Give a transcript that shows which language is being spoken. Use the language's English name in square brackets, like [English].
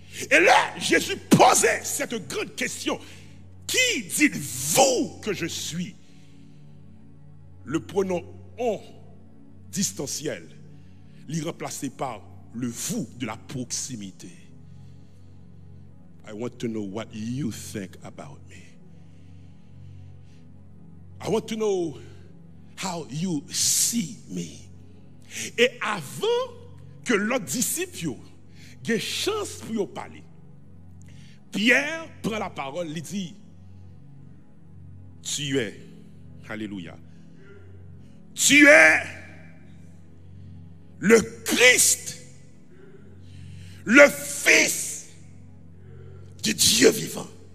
[French] Et là, Jésus posait cette grande question. Qui dites-vous que je suis? Le pronom on distanciel, l'y remplacé par le vous de la proximité. [English] I want to know what you think about me. I want to know how you see me. [French] Et avant que l'autre disciple ait chance pour y parler, Pierre prend la parole, il dit, tu es, alléluia, tu es le Christ, le Fils du Dieu vivant.